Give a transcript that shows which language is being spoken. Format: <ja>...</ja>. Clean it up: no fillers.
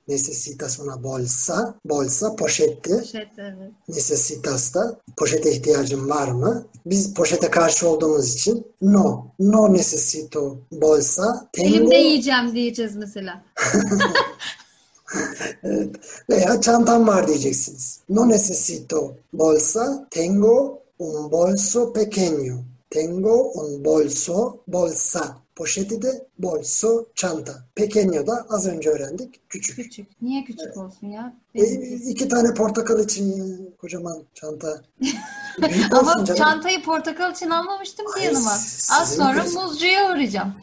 <es>Necesitas una bolsa.</es> <tr>Bolsa, poşetti. Necesitas da poşete ihtiyacın var mı? Biz poşete karşı olduğumuz için no.</tr> <es>No necesito bolsa.</es> <tr>Elimde yiyeceğim diyeceğiz mesela. Evet. Veya çantam var diyeceksiniz.</tr> <es>No necesito bolsa, tengo un bolso pequeño. Tengo un bolso,</es> <tr>bolsa. Poşeti de bolso, çanta. Pequeño da az önce öğrendik. Küçük. Küçük. Niye küçük evet. Olsun ya? İki tane portakal için kocaman çanta. Ama çantayı portakal için almamıştım ki yanıma. Az sonra muzcuya uğrayacağım.</tr>